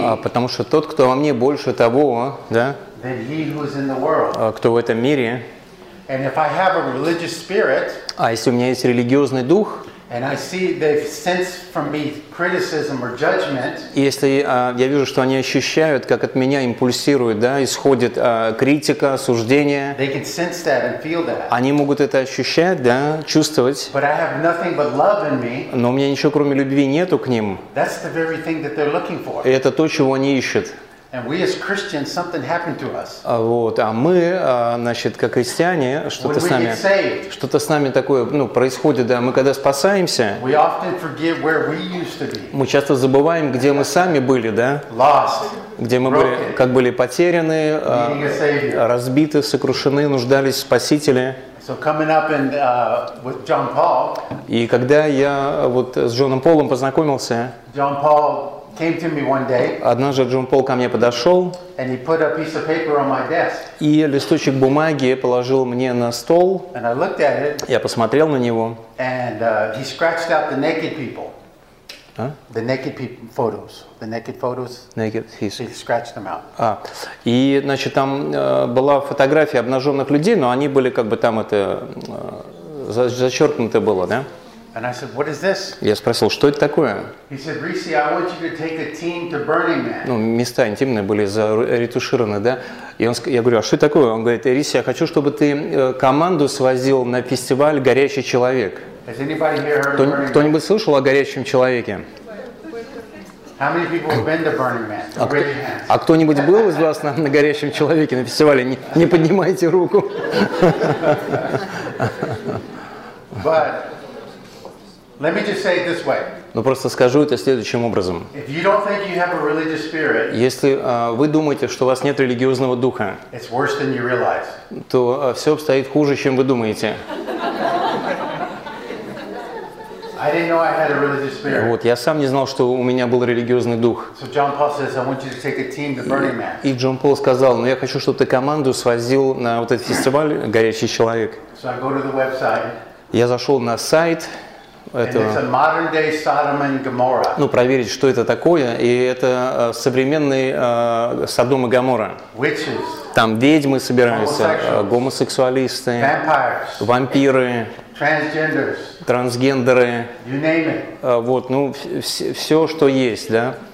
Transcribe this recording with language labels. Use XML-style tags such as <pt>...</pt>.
<ru>А потому что тот, кто во мне, больше того, да?</ru> <en>Than he who is in the world.</en> <ru>А кто в этом мире?</ru> <en>And if I have a religious spirit.</en> <ru>А если у меня есть религиозный дух?</ru> <en>And I see they sense from me criticism or judgment.</en> <ru>Если я вижу, что они ощущают, как от меня импульсирует, да, исходит критика, осуждение.</ru> <en>They can sense that and feel that.</en> <ru>Они могут это ощущать, да, чувствовать.</ru> <en>But I have nothing but love in me.</en> <ru>Но у меня ничего кроме любви нету к ним.</ru> <en>That's the very thing that they're looking for.</en> <ru>И это то, чего они ищут.</ru> <en>And we as Christians, something happened to us.</en> <ru>Вот, а мы, значит, как христиане, что-то с нами такое, ну, происходит, да. Мы когда спасаемся,</ru> <en>we often forget where we used to be.</en> <ru>Мы часто забываем, где мы сами были, да?</ru> <en>Lost.</en> <ru>Где мы</ru> <en>broken,</en> <ru>были, как были потеряны, разбиты, сокрушены, нуждались в Спасителе.</ru> <en>So coming up and with John Paul.</en> <ru>И когда я вот с Джоном Полом познакомился.</ru> <en>John Paul came to me one day.</en> <ru>Однажды Джон Пол ко мне подошел.</ru> <en>And he put a piece of paper on my desk.</en> <ru>И листочек бумаги положил мне на стол.</ru> <en>And I looked at it.</en> <ru>Я посмотрел на него.</ru> <en>And he scratched out the naked people. The naked people photos. The naked photos. Naked. He scratched them out. А.</en> <ru>И значит там была фотография обнаженных людей, но они были как бы там это зачеркнуто было, да?</ru> <en>And I said, "What is this?"</en> <ru>Я спросил, что это такое?</ru> <en>He said, "Ricci, I want you to take a team to Burning Man."</en> <ru>Ну, места интимные были заретушированы, да? И он, я говорю, а что это такое? Он говорит, Ricci, я хочу, чтобы ты команду свозил на фестиваль «Горящий человек».</ru> <en>Has anybody here heard of Burning Man?</en> <ru>Кто-нибудь слышал о «Горящем человеке»?</ru> <en>How many people have been to Burning Man?</en> <ru>А кто-нибудь был из вас на «Горящем человеке» на фестивале? Не поднимайте руку.</ru> <en>But let me just say it this way.</en> <ru>Но просто скажу это следующим образом.</ru> <en>If you don't think you have a religious spirit,</en> <ru>если вы думаете, что у вас нет религиозного духа,</ru> <en>it's worse than you realize.</en> <ru>То все обстоит хуже, чем вы думаете.</ru> <en>I didn't know I had a religious spirit.</en> <ru>Вот, я сам не знал, что у меня был религиозный дух.</ru> <en>So John Paul says, I want you to take a team to Burning Man.</en> <ru>И Джон Пол сказал, я хочу, чтобы ты команду свозил на вот этот фестиваль «Горящий человек».</ru> <en>So I go to the website.</en> <ru>Я зашел на сайт. Это,</ru> <en>and it's a modern day Sodom and Gomorrah.</en> <ru>Ну, проверить, что это такое. И это современный Содом и Гоморра.</ru> <en>Witches.</en> <ru>Там ведьмы собираются, гомосексуалисты,</ru> <en>vampires,</en> <ru>вампиры,</ru> <en>transgenders,</en> <ru>трансгендеры.</ru> <en>You name it.</en> <ru>Вот, ну, все, что есть, да.</ru>